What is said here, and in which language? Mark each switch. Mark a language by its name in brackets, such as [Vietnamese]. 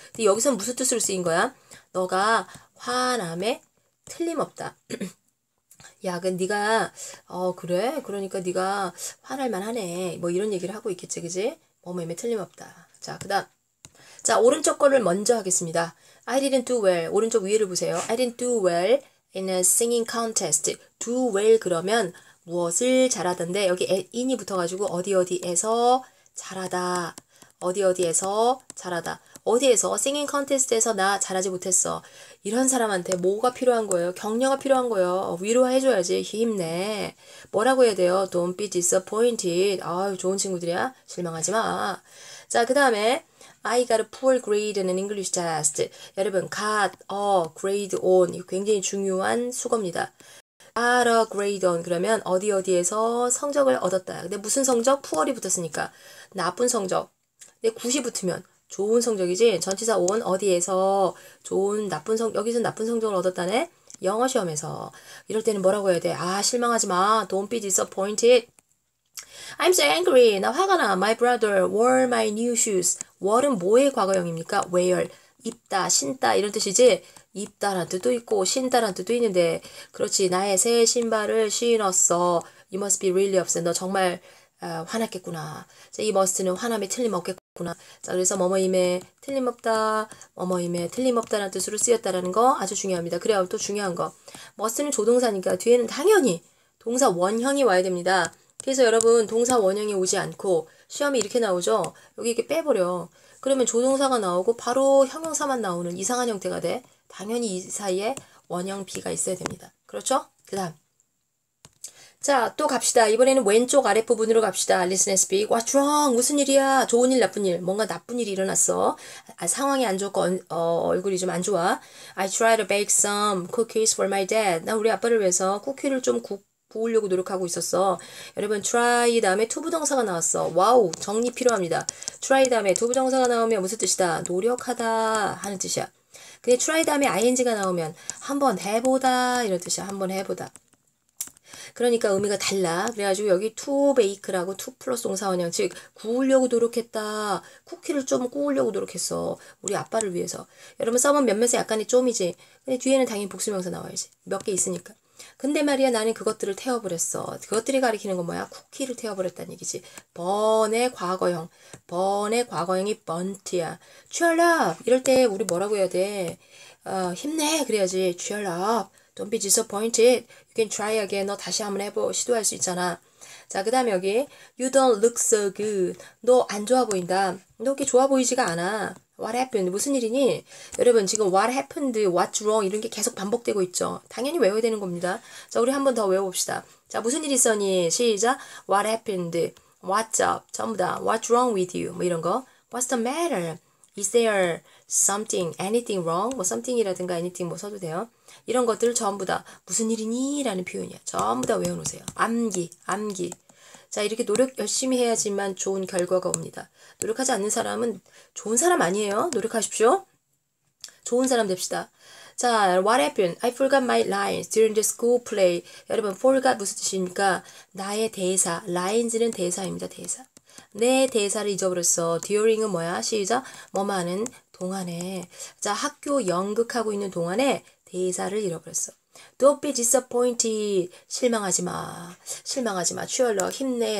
[Korean] 근데 여기서는 무슨 뜻으로 쓰인 거야? 너가 화남에 틀림없다. 야, 그 네가 그래? 그러니까 네가 화날 만하네. 뭐 이런 얘기를 하고 있겠지, 그지? 뭐뭐임에 틀림없다. 자, 그다음. 자, 오른쪽 거를 먼저 하겠습니다. [English] I didn't do well. [Korean] 오른쪽 위를 보세요. [English] I didn't do well in a singing contest. [Korean] Do well 그러면 무엇을 잘하던데? 여기 in이 붙어가지고 어디 어디에서 잘하다. 어디 어디에서 잘하다. 어디에서 싱잉 컨테스트에서 나 잘하지 못했어. 이런 사람한테 뭐가 필요한 거예요? 격려가 필요한 거예요. 위로해줘야지. 힘내. 뭐라고 해야 돼요? [English] Don't be disappointed. [Korean] 아유, 좋은 친구들이야. 실망하지 마. 자, 그 다음에 [English] I got a poor grade in an English test. 여러분, got a grade on. [Korean] 이거 굉장히 중요한 수거입니다. [English] Got a grade on. [Korean] 그러면 어디 어디에서 성적을 얻었다. 근데 무슨 성적? poor이 붙었으니까. 나쁜 성적. 근데 굿이 붙으면 좋은 성적이지? 전치사 on 어디에서 좋은 나쁜 성 여기서 나쁜 성적을 얻었다네? 영어 시험에서 이럴 때는 뭐라고 해야 돼? 아, 실망하지 마. [English] Don't be disappointed. I'm so angry. [Korean] 나 화가 나. [English] My brother wore my new shoes. [Korean] wore은 뭐의 과거형입니까? wear. 입다, 신다 이런 뜻이지? 입다란 뜻도 있고 신다란 뜻도 있는데 그렇지. 나의 새 신발을 신었어. [English] You must be really upset. [Korean] 너 정말 화났겠구나. 자, 이 must는 화남이 틀림없겠구나. 구나. 자, 그래서 뭐뭐임에 틀림없다, 뭐뭐임에 틀림없다라는 뜻으로 쓰였다라는 거 아주 중요합니다. 그래야 또 중요한 거. must는 조동사니까 뒤에는 당연히 동사 원형이 와야 됩니다. 그래서 여러분, 동사 원형이 오지 않고 시험이 이렇게 나오죠? 여기 이렇게 빼버려. 그러면 조동사가 나오고 바로 형용사만 나오는 이상한 형태가 돼. 당연히 이 사이에 원형 be가 있어야 됩니다. 그렇죠? 그 다음. 자, 또 갑시다. 이번에는 왼쪽 아랫부분으로 갑시다. [English] Listen and speak. What's wrong? [Korean] 무슨 일이야? 좋은 일, 나쁜 일. 뭔가 나쁜 일이 일어났어. 아, 상황이 안 좋고 얼굴이 좀안 좋아. [English] I try to bake some cookies for my dad. [Korean] 난 우리 아빠를 위해서 쿠키를 좀 구우려고 노력하고 있었어. 여러분, try 다음에 to 부정사가 나왔어. 와우, 정리 필요합니다. try 다음에 to 부정사가 나오면 무슨 뜻이다? 노력하다 하는 뜻이야. 근데 try 다음에 ing가 나오면 한번 해보다 이런 뜻이야. 한번 해보다. 그러니까 의미가 달라. 그래가지고 여기 to bake라고 to 플러스 동사원형. 즉, 구우려고 노력했다. 쿠키를 좀 구우려고 노력했어. 우리 아빠를 위해서. 여러분, 써본 몇몇에 약간의 좀이지. 근데 뒤에는 당연히 복수명사 나와야지. 몇개 있으니까. 근데 말이야, 나는 그것들을 태워버렸어. 그것들이 가리키는 건 뭐야? 쿠키를 태워버렸다는 얘기지. burn의 과거형. burn의 과거형이 burnt야. [English] cheer up! [Korean] 이럴 때 우리 뭐라고 해야 돼? 힘내! 그래야지. [English] cheer up! Don't be disappointed. You can try again. [Korean] 너 다시 한번 해보, 시도할 수 있잖아. 자, 그 다음 여기. [English] You don't look so good. [Korean] 너안 좋아 보인다. 너 그렇게 좋아 보이지가 않아. [English] What happened? [Korean] 무슨 일이니? 여러분, 지금 what happened, what's wrong? 이런 게 계속 반복되고 있죠. 당연히 외워야 되는 겁니다. 자, 우리 한번더 외워봅시다. 자, 무슨 일이 있었니? 시작. [English] What happened? What's up? 전부 다. What's wrong with you? 뭐 이런 거. What's the matter? Is there something, anything wrong? [Korean] 뭐 something이라든가 anything 뭐 써도 돼요. 이런 것들을 전부 다 무슨 일이니? 라는 표현이야. 전부 다 외워놓으세요. 암기, 암기. 자, 이렇게 노력 열심히 해야지만 좋은 결과가 옵니다. 노력하지 않는 사람은 좋은 사람 아니에요. 노력하십시오. 좋은 사람 됩시다. 자, [English] what happened? I forgot my lines during the school play. [Korean] 여러분, forgot 무슨 뜻입니까? 나의 대사, lines는 대사입니다, 대사. 내 대사를 잊어버렸어. During은 뭐야? 시작. 뭐만은 동안에. 자, 학교 연극하고 있는 동안에 대사를 잃어버렸어. [English] Don't be disappointed. [Korean] 실망하지 마. 실망하지 마. [English] Cheer up. [Korean] 힘내.